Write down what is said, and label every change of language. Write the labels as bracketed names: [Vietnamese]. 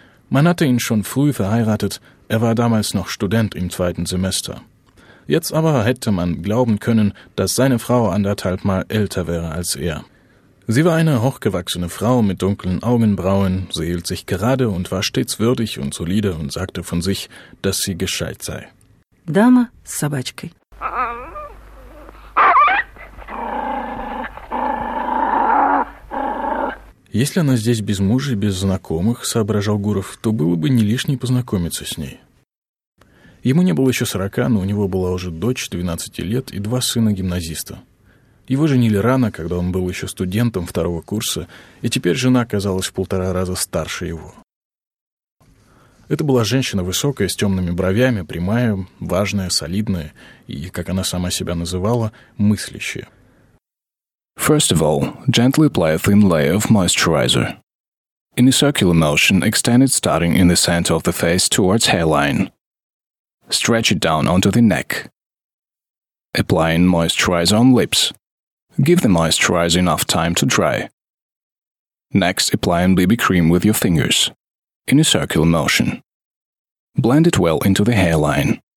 [German] Man hatte ihn schon früh verheiratet, er war damals noch Student im 2. Semester. Jetzt aber hätte man glauben können, dass seine Frau 1,5 Mal älter wäre als er. Sie war eine hochgewachsene Frau mit dunklen Augenbrauen, sie hielt sich gerade und war stets würdig und solide und sagte von sich, dass sie gescheit sei. [Russian] Dama с собачкой. Если она здесь без мужа и без знакомых, соображал Гуров, то было бы не лишней познакомиться с ней. Ему не было еще 40, но у него была уже дочь 12 лет и 2 сына-гимназиста. Его женили рано, когда он был еще студентом 2-го курса, и теперь жена оказалась в 1,5 раза старше его. Это была женщина высокая, с темными бровями, прямая, важная, солидная и, как она сама себя называла, мыслящая. [English] First of all, gently apply a thin layer of moisturizer. In a circular motion, extend it starting in the center of the face towards hairline. Stretch it down onto the neck. Applying moisturizer on lips. Give the moisturizer enough time to dry. Next, apply a BB cream with your fingers. In a circular motion. Blend it well into the hairline.